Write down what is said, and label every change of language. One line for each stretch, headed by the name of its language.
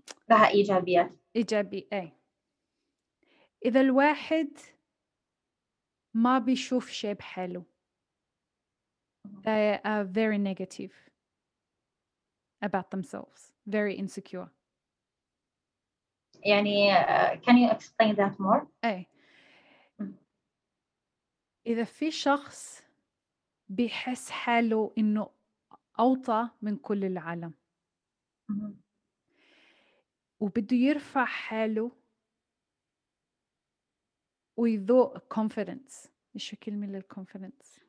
Arabic: لها إيجابيات إيجابي إيه إذا الواحد ما بيشوف شيء حلو
English: they are very negative about themselves very insecure يعني can you explain that more
Arabic: إيه إذا في شخص بيحس حاله إنه أوطى من كل العالم وبده يرفع حاله ويذوق confidence إيش كلمة للconfidence؟